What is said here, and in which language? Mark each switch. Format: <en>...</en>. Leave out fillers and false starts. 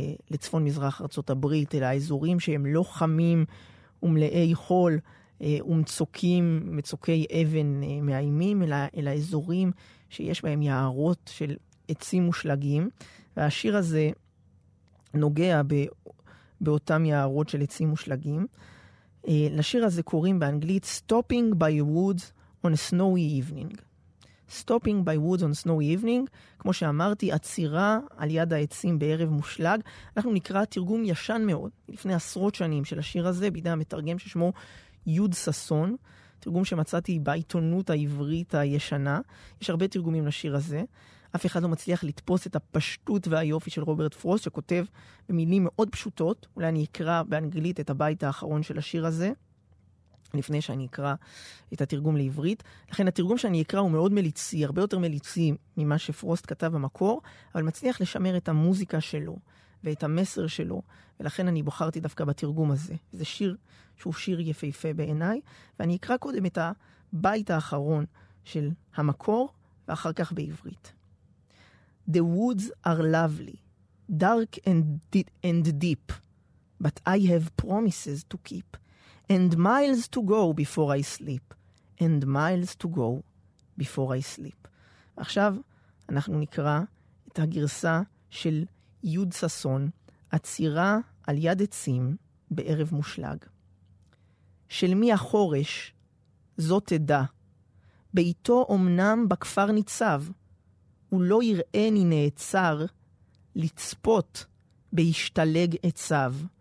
<he>לצפון מזרח ארצות הברית, אל האזורים שהם לא חמים ומלאי חול ומצוקים, מצוקי אבן מאיימים, אל האזורים שיש בהם יערות של עצים מושלגים. והשיר הזה נוגע באותם יערות של עצים מושלגים. לשיר הזה קוראים באנגלית Stopping by Woods on a Snowy Evening. Stopping by Woods on a Snowy Evening, כמו שאמרתי, עצירה על יד העצים בערב מושלג. אנחנו נקרא תרגום ישן מאוד, לפני עשרות שנים, של השיר הזה, בידי המתרגם ששמו יוד ססון, תרגום שמצאתי בעיתונות העברית הישנה. יש הרבה תרגומים לשיר הזה. אף אחד לא מצליח לתפוס את הפשטות והיופי של רוברט פרוסט, שכותב במילים מאוד פשוטות. אולי אני אקרא באנגלית את הבית האחרון של השיר הזה, לפני שאני אקרא את התרגום לעברית. לכן התרגום שאני אקרא הוא מאוד מליצי, הרבה יותר מליצי ממה שפרוסט כתב במקור, אבל מצליח לשמר את המוזיקה שלו ואת המסר שלו, ולכן אני בוחרתי דווקא בתרגום הזה. זה שיר שהוא שיר יפהפה בעיניי, ואני אקרא קודם את הבית האחרון של המקור, ואחר כך בעברית.</he> <en>The woods are lovely, dark and deep, but I have promises to keep, and miles to go before I sleep, and miles to go before I sleep.</en> <he>עכשיו אנחנו נקרא את הגרסה של יוד ססון, עצירה על יד עצים בערב מושלג. של מי החורש, זו תדע, ביתו אומנם בכפר ניצב, הוא לא יראה ני נעצר לצפות בהשתלג עציו.</he>